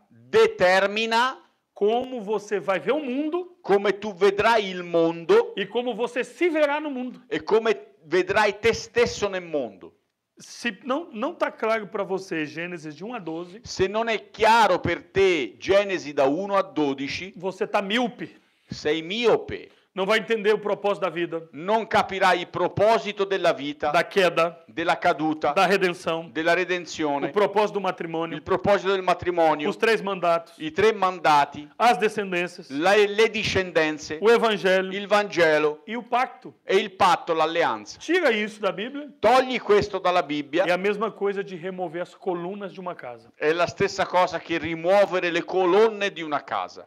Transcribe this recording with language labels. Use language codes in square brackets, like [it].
[pt] determina como você vai ver o mundo, [it] come tu vedrai il mondo [pt] e como você se verá no mundo. [it] E come vedrai te stesso nel mondo. [pt] Se não tá claro para você Gênesis de 1 a 12, [it] se non è chiaro per te Genesi da 1 a 12, [pt] você tá míope. [it] Sei miope. [pt] Não vai entender o propósito da vida. [it] Non capirai il proposito della vita. [pt] Da queda. [it] Della caduta. [pt] Da redenção. [it] Della redenzione. [pt] O propósito do matrimônio. [it] Il proposito del matrimonio. [pt] Os três mandatos. [it] I tre mandati. [pt] As descendências. [it] Le discendenze. [pt] O evangelho. [it] Il Vangelo. [pt] E o pacto. [it] E il patto, l'alleanza. [pt] Tira isso da Bíblia. [it] Togli questo dalla Bibbia. [pt] E a mesma coisa de remover as colunas de uma casa. [it] È la stessa cosa che rimuovere le colonne di una casa.